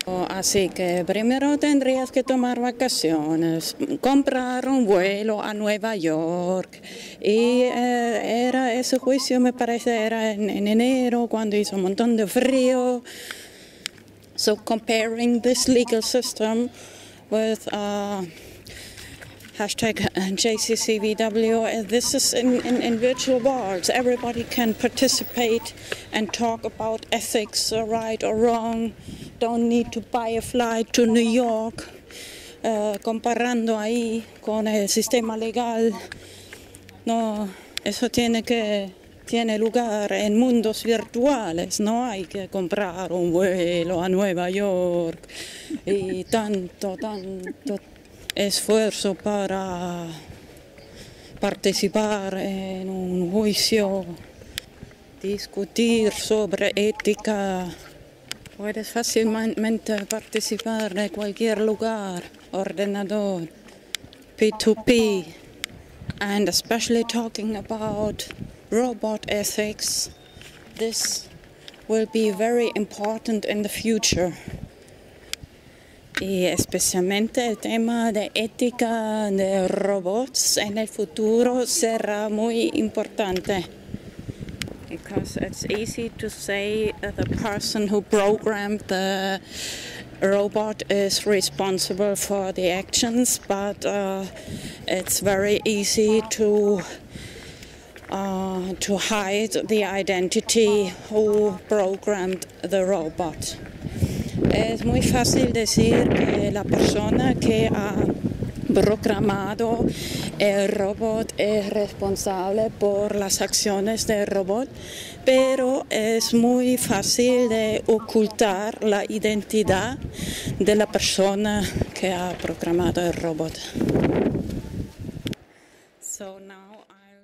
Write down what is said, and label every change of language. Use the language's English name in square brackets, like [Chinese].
[Spanish] Así que primero tendrías que tomar vacaciones, comprar un vuelo a Nueva York. Y era ese juicio, me parece, era en enero, cuando hizo un montón de frío. [English] So comparing this legal system with hashtag JCCVW, this is in virtual worlds. Everybody can participate and talk about ethics, right or wrong. Don't need to buy a flight to New York. [Spanish] Comparando ahí con el sistema legal, no, eso tiene lugar en mundos virtuales. No hay que comprar un vuelo a Nueva York y tanto esfuerzo para participar en un juicio, discutir sobre ética. Puedes fácilmente participar de cualquier lugar, ordenador, P2P. [English] And especially talking about robot ethics, this will be very important in the future. [Spanish] Y especialmente el tema de ética de robots en el futuro será muy importante. [English] Because it's easy to say that the person who programmed the robot is responsible for the actions, but it's very easy to hide the identity who programmed the robot. [Spanish] Es muy fácil decir que la persona que ha programado el robot es responsable por las acciones del robot, pero es muy fácil de ocultar la identidad de la persona que ha programado el robot. [English] So now I-